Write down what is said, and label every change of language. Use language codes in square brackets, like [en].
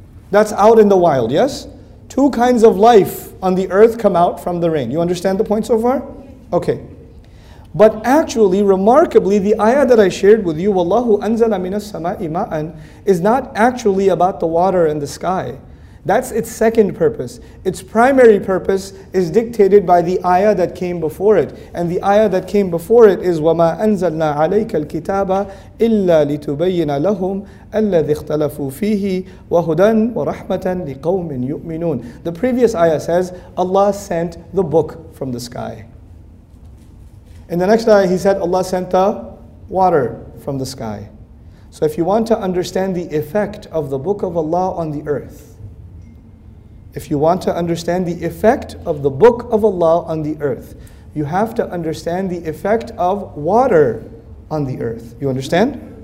[en] That's out in the wild, yes? Two kinds of life on the earth come out from the rain. You understand the point so far? Okay. But actually, remarkably, the ayah that I shared with you, [ar] وَاللَّهُ أَنزَلَ مِنَ السَّمَاءِ مَاءً, [en] is not actually about the water and the sky. That's its second purpose. Its primary purpose is dictated by the ayah that came before it. And the ayah that came before it is, [ar] وَمَا أَنزَلْنَا عَلَيْكَ الْكِتَابَ إِلَّا لِتُبَيِّنَ لَهُمْ الَّذِي اخْتَلَفُوا فِيهِ وَهُدًى وَرَحْمَةً لِقَوْمٍ يُؤْمِنُونَ. [en] The previous ayah says, Allah sent the book from the sky. In the next ayah, He said, Allah sent the water from the sky. So if you want to understand the effect of the book of Allah on the earth, if you want to understand the effect of the book of Allah on the earth, you have to understand the effect of water on the earth. You understand?